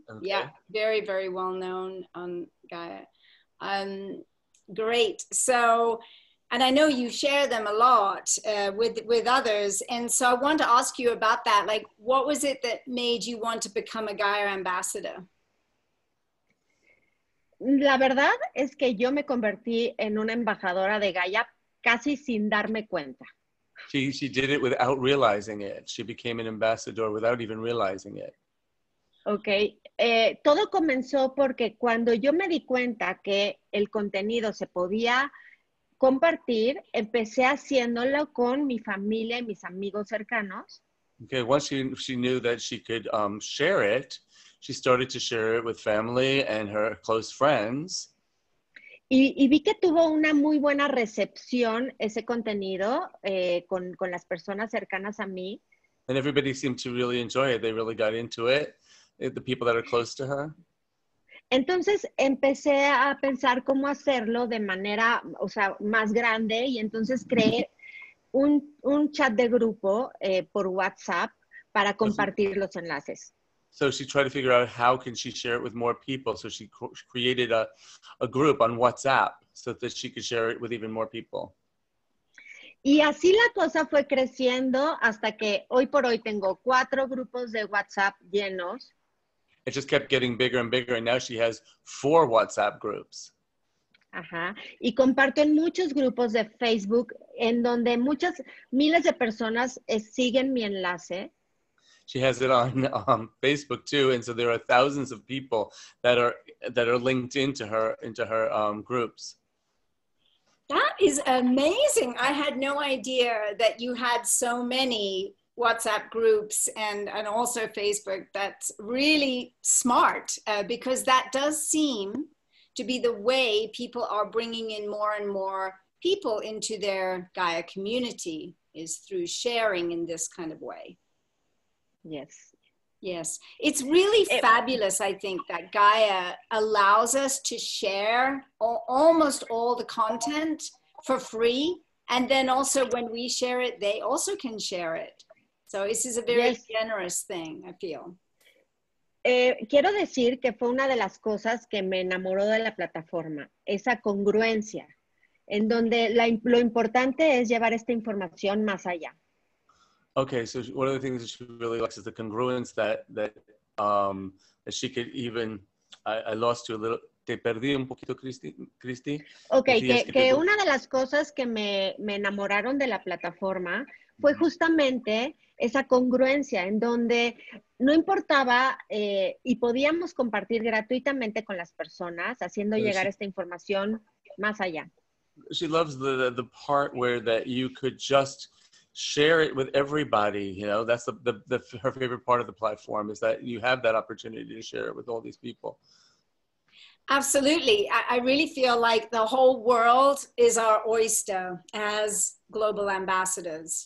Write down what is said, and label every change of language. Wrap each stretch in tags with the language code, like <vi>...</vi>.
<en>Okay. Yeah, very, very well known on Gaia. Great. So... And I know you share them a lot with others. And so I want to ask you about that. Like, what was it that made you want to become a Gaia ambassador?</en> <es>La verdad es que yo me convertí en una embajadora de Gaia casi sin darme cuenta.</es> <en>She did it without realizing it. She became an ambassador without even realizing it. Okay.</en> <es>Todo comenzó porque cuando yo me di cuenta que el contenido se podía... compartir, empecé haciéndolo con mi familia y mis amigos cercanos.</es> <en>Okay, once she knew that she could share it, she started to share it with family and her close friends.</en> <es>Y vi que tuvo una muy buena recepción ese contenido con las personas cercanas a mí.</es> <en>And everybody seemed to really enjoy it. They really got into it, the people that are close to her.</en> <es>Entonces empecé a pensar cómo hacerlo de manera, o sea, más grande. Y entonces creé un chat de grupo por WhatsApp para compartir los enlaces.</es> <en>So she tried to figure out how can she share it with more people. So she created a group on WhatsApp so that she could share it with even more people.</en> <es>Y así la cosa fue creciendo hasta que hoy por hoy tengo 4 grupos de WhatsApp llenos.</es> <en>It just kept getting bigger and bigger, and now she has 4 WhatsApp groups. Ajá.</en> <es>Y comparto en muchos grupos de Facebook en donde muchas miles de personas siguen mi enlace.</es> <en>She has it on Facebook too, and so there are thousands of people that are linked into her groups. That is amazing. I had no idea that you had so many WhatsApp groups and also Facebook. That's really smart because that does seem to be the way people are bringing in more and more people into their Gaia community, is through sharing in this kind of way. Yes. Yes. It's really fabulous, I think, that Gaia allows us to share almost all the content for free. And then also when we share it, they also can share it. So this is a very generous thing, I feel.</en> <es>Quiero decir que fue una de las cosas que me enamoró de la plataforma, esa congruencia, en donde lo importante es llevar esta información más allá.</es> <en>Okay, so one of the things that she really likes is the congruence that she could even, I lost you a little,</en> <es>te perdí un poquito,</es> <en>Cristi.</en> <es>Okay, que una de las cosas que me enamoraron de la plataforma fue justamente esa congruencia, en donde no importaba y podíamos compartir gratuitamente con las personas, haciendo llegar esta información más allá.</es> <en>She loves the part where that you could just share it with everybody, you know, that's her favorite part of the platform, is that you have that opportunity to share it with all these people. Absolutely. I really feel like the whole world is our oyster as global ambassadors.</en>